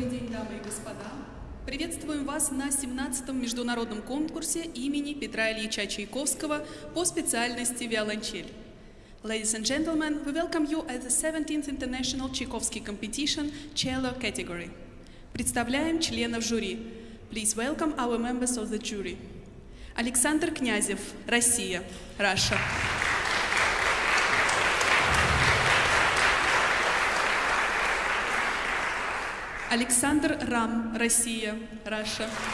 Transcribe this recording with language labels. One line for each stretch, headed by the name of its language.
Russian: дамы и господа, приветствуем вас на 17-м международном конкурсе имени Петра Ильича Чайковского по специальности виолончель.
English: Ladies and gentlemen, we welcome you at the 17th International Tchaikovsky Competition Cello Category.
Russian: Представляем членов жюри.
English: Please welcome our members of the jury. Александр Князев, Россия, Russia.
Russian: Александр Рам, Россия, Russia.